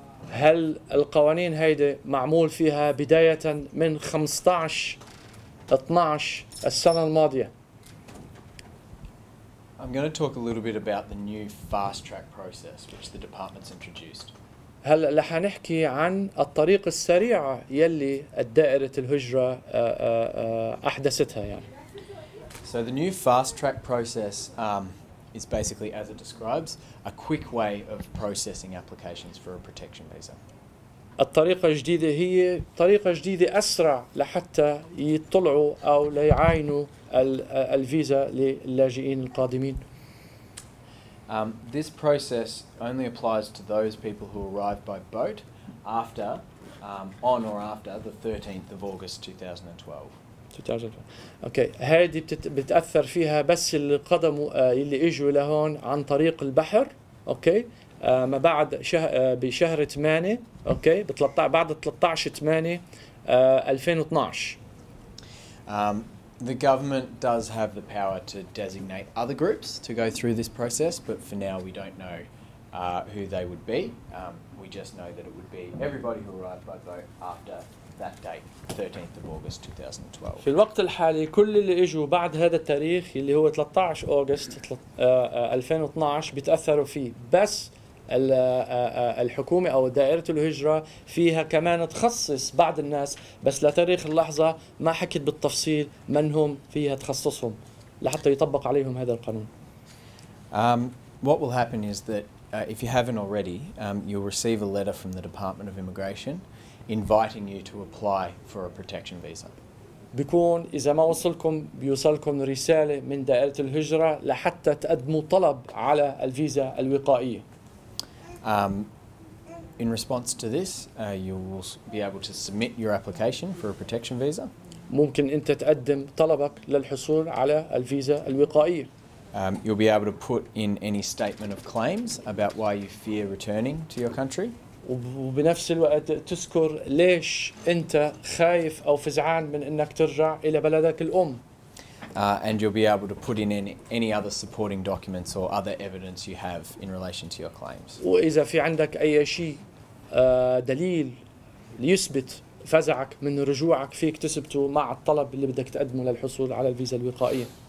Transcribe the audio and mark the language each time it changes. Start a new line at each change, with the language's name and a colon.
Arabic: هل القوانين هيدا معمول فيها بداية من 15/12 السنة الماضية؟
English: I'm going to talk a little bit about the new fast track process which the department's introduced.
Arabic: هل رح نحكي عن الطريق السريع يلي الدائرة الهجرة أحدثتها يعني.
English: So the new fast track process is basically, as it describes, a quick way of processing applications for a protection visa.
Arabic: الطريقة الجديدة هي طريقة جديدة أسرع لحتى يطلعوا أو ليعاينوا الفيزا للاجئين القادمين.
English: This process only applies to those people who arrive by boat after, on or after the 13th of August 2012. Okay.
Arabic: هذه بتأثر فيها بس القدم اللي إجوا لهون عن طريق البحر. Okay. ما بعد بشهر 8. Okay. بعد 13/8 2012.
English: The government does have the power to designate other groups to go through this process, but for now we don't know who they would be. We just know that it would be everybody who arrived by boat after that date, 13th of August 2012.
Arabic: في الوقت الحالي كل اللي اجوا بعد هذا التاريخ اللي هو 13 اغسطس 2012 بتاثروا فيه، بس الحكومه او دائره الهجره فيها كمان تخصص بعض الناس، بس لتاريخ اللحظه ما حكيت بالتفصيل من هم فيها تخصصهم لحتى يطبق عليهم هذا القانون.
English: What will happen is that if you haven't already, you'll receive a letter from the Department of Immigration. inviting you to apply for a protection visa.
Arabic: بكون إذا ما وصلكم بيوصلكم رسالة من دائرة الهجرة لحتى تقدموا طلب على الفيزا الوقائية.
English: In response to this, you will be able to submit your application for a protection visa.
Arabic: ممكن أنت تقدم طلبك للحصول على الفيزا الوقائية.
English: You'll be able to put in any statement of claims about why you fear returning to your country.
Arabic: وبنفس الوقت تذكر ليش أنت خايف أو فزعان من أنك ترجع إلى بلدك الأم.
English: And you'll be able to put in any other supporting documents or other evidence you have in relation to your claims.
Arabic: وإذا في عندك أي شيء دليل ليثبت فزعك من رجوعك فيك تثبته مع الطلب اللي بدك تقدمه للحصول على الفيزا الوقائية.